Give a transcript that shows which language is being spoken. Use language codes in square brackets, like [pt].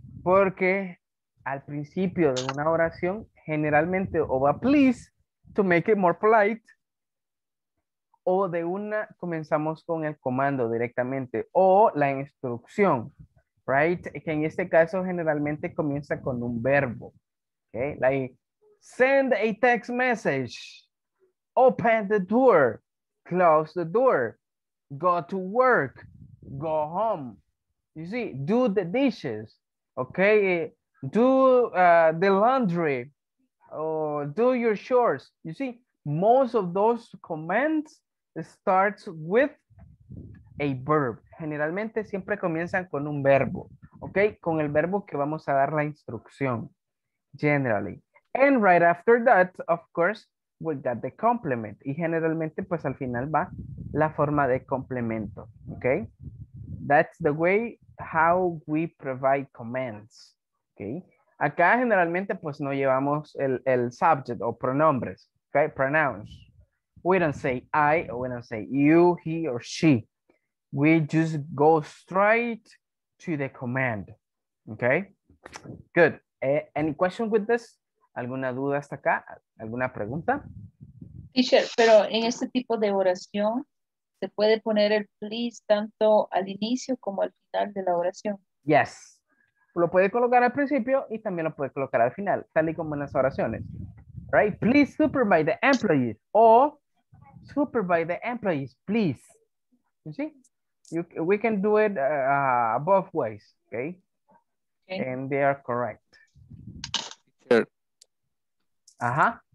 [es] Porque al principio de una oración, generalmente, o va [en] please, to make it more polite, [es] o de una comenzamos con el comando directamente o la instrucción, right? Que en este caso generalmente comienza con un verbo, okay? [en] Like send a text message, open the door, close the door, go to work, go home. You see, do the dishes, okay? Do the laundry, or do your chores. You see, most of those commands starts with a verb. [es] Generalmente siempre comienzan con un verbo, ¿ok? Con el verbo que vamos a dar la instrucción, generally. [en] And right after that, of course, we got the complement. [es] Y generalmente, pues al final va la forma de complemento, ¿ok? [en] That's the way how we provide commands, ¿ok? [es] Acá generalmente, pues no llevamos el subject o pronombres, ¿ok? [en] Pronouns. We don't say I, or we don't say you, he, or she. We just go straight to the command, okay? Good. Any question with this? [es] ¿Alguna duda hasta acá? ¿Alguna pregunta? Teacher, pero en este tipo de oración, ¿se puede poner el please tanto al inicio como al final de la oración? [en] Yes. [es] Lo puede colocar al principio y también lo puede colocar al final, tal y como en las oraciones. [en] Right? Please supervise the employees, o supervise the employees, please. You see, we can do it both ways, okay? Okay? And they are correct. Sure. Uh-huh.